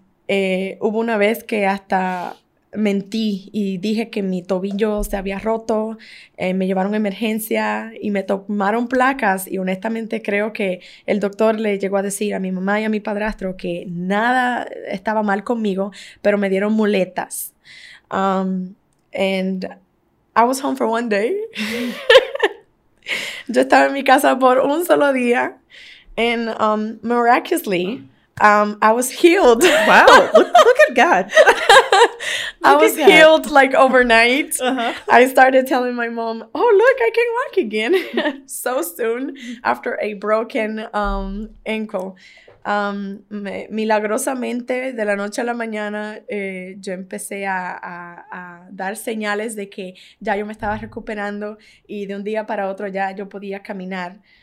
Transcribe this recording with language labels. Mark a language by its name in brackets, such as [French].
[Spanish] Hubo una vez que hasta mentí y dije que mi tobillo se había roto, me llevaron a emergencia y me tomaron placas, y honestamente creo que el doctor le llegó a decir a mi mamá y a mi padrastro que nada estaba mal conmigo, pero me dieron muletas. [English] And I was home for one day. [Spanish] Yo estaba en mi casa por un solo día, [English] and miraculously, I was healed. Wow! Look at God. I was healed like overnight. Uh-huh. I started telling my mom, "Oh, look, I can walk again!" So soon after a broken ankle. [Spanish] Milagrosamente, de la noche a la mañana, yo empecé a dar señales de que ya yo me estaba recuperando y de un día para otro ya yo podía caminar.